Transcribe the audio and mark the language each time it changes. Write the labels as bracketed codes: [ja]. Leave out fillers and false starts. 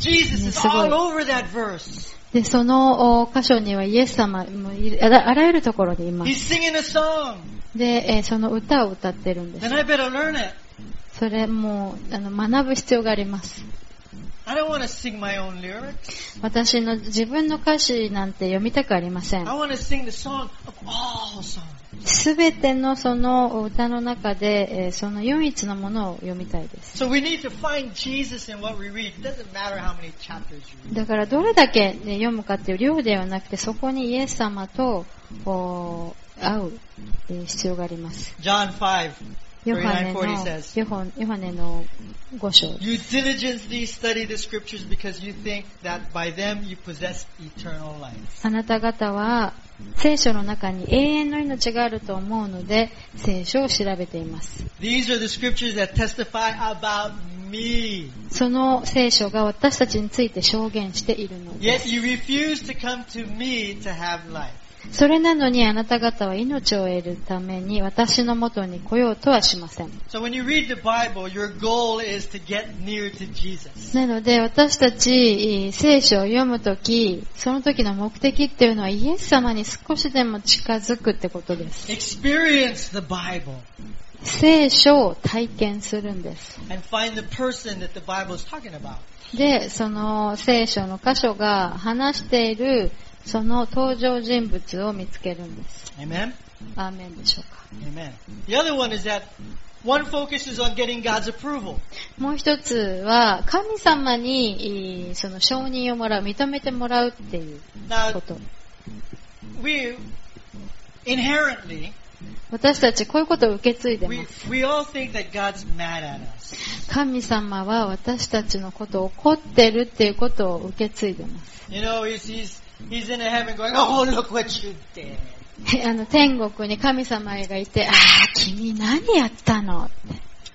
[en] Jesus is all over that verse. [ja] で、その箇所にはイエス様もあらゆるところにいます。 [en] He's singing a song. [ja] で、その歌を歌ってるんです。 [en] Then I better learn it. [ja] それも学ぶ必要があります。 [en] I don't want to sing my own lyrics. [ja] 私の自分の歌詞なんて読みたくありません。 [en] I want to sing the song of all songs. [ja] 全てのその歌の中で、その唯一のものを読みたいです。 [en] So we need to find Jesus in what we read. It doesn't matter how many chapters you read. [ja] だからどれだけ、ね、読むかっていう量ではなくて、そこにイエス様と会う必要があります。 [en] John 5. [ja] ヨハネの5章。 [en] You diligently study the scriptures because you think that by them you possess eternal life. [ja] あなた方は聖書の中に永遠の命があると思うので聖書を調べています。 [en] These are the scriptures that testify about me. [ja] その聖書が私たちについて証言しているのです。 [en] Yet you refuse to come to me to have life. [ja] それなのにあなた方は命を得るために私のもとに来ようとはしません。 [en] So when you read the Bible, your goal is to get near to Jesus. [ja] なので私たち聖書を読むとき、その時の目的っていうのはイエス様に少しでも近づくってことです。 [en] Experience the Bible. [ja] 聖書を体験するんです。 [en] And find the person that the Bible is talking about. [ja] で、その聖書の箇所が話しているその登場人物を見つけるんです。 [en] Amen. [ja] アーメンでしょうか。 [en] Amen. The other one is that one focuses on getting God's approval. [ja] もう一つは神様にその承認をもらう、認めてもらうっていうこと。 [en] Now, we inherently [ja] 私たちこういうことを受け継いでます。 [en] We all think that God's mad at us. [ja] 神様は私たちのことを怒ってるっていうことを受け継いでます。 [en] You know, He's in heaven going, oh, look what you did. [ja] 天国に神様がいて、ああ、君何やったのって。